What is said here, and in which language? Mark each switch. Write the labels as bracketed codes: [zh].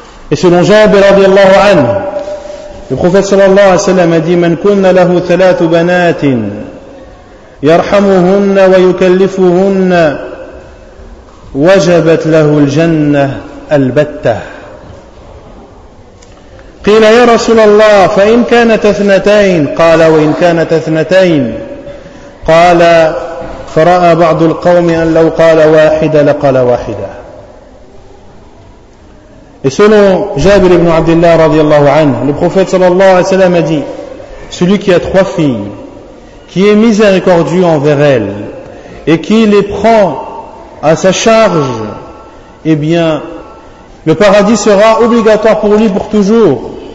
[fr] Et selon Jabir radiallahu anhu, le prophète sallallahu alayhi wa sallam a dit « [ar] Man kunna lahu thalathu banatin » يرحمهن ويكلفهن وجبت له الجنة البتة. قيل يا رسول الله فإن كانت اثنتين قال وإن كانت اثنتين قال فرأى بعض القوم أن لو قال واحدة لقال واحدة. [fr] Et selon جابر بن عبد الله رضي الله عنه, le prophète صلى الله عليه وسلم a dit, celui qui a trois filles, qui est miséricordieux envers elles et qui les prend à sa charge, eh bien, le paradis sera obligatoire pour lui pour toujours.